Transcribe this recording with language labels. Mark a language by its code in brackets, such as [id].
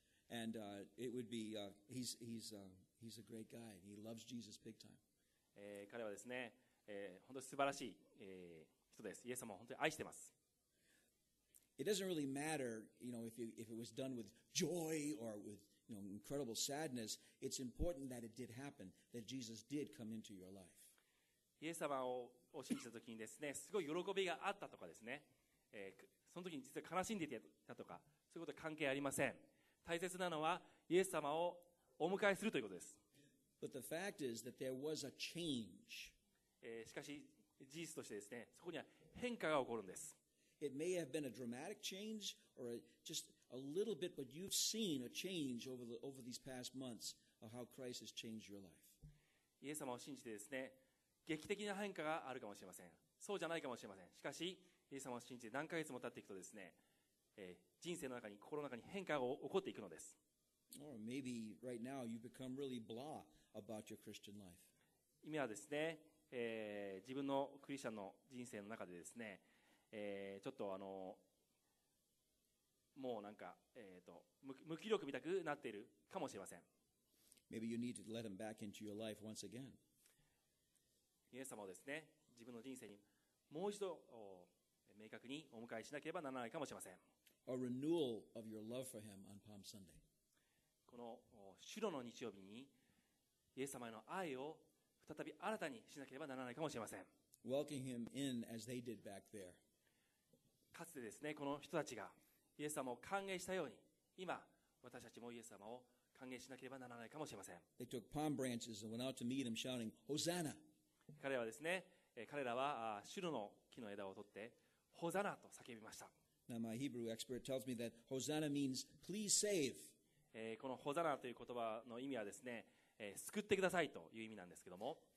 [en] And it would be, he's a great guy. He loves Jesus big time. [ja] 彼はですね、本当に素晴らしい、人です。イエス様を本当に愛してます。 [en] It doesn't really matter, you know, if it was done with joy or with, you know, incredible sadness. It's important that it did happen, that Jesus did come into your life. [ja] イエス様を信じたときにですね、すごい喜びがあったとかですね。その時に実は悲しんでいたとかそういうことは関係ありません。大切なのはイエス様をお迎えするということです。 [en] But the fact is that there was a change. [ja] しかし事実としてですね、そこには変化が起こるんです。 [en] It may have been a dramatic change or just a little bit, but you've seen a change over these past months of how Christ has changed your life. [ja] イエス様を信じてですね、劇的な変化があるかもしれません。そうじゃないかもしれません。しかしイエス様を信じて何ヶ月も経っていくとですね、人生の中に心の中に変化が起こっていくのです。 [en] Or maybe right now you become really blah about your Christian life. [ja] 今はですね、自分のクリスチャンの人生の中でですね、ちょっともうなんか、無気力みたくなっているかもしれません。 [en] Maybe you need to let him back into your life once again. [ja] イエス様をですね、自分の人生にもう一度明確にお迎えしなければならないかもしれません。 [en] A renewal of your love for him on Palm Sunday. [ja] この主の日曜日にイエス様への愛を再び新たにしなければならないかもしれません。 [en] Welcoming him in as they did back there. [ja] かつてですね、この人たちがイエス様を歓迎したように、今私たちもイエス様を歓迎しなければならないかもしれません。 [en] They took palm branches and went out to meet him, shouting, "Hosanna!" [ja] 彼はですね、彼らはシュロの木の枝を取って、ホザナと叫びました。 [en] Now my Hebrew expert tells me that Hosanna means "Please save." [ja] このホザナという言葉の意味はですね、救ってくださいという意味なんですけども、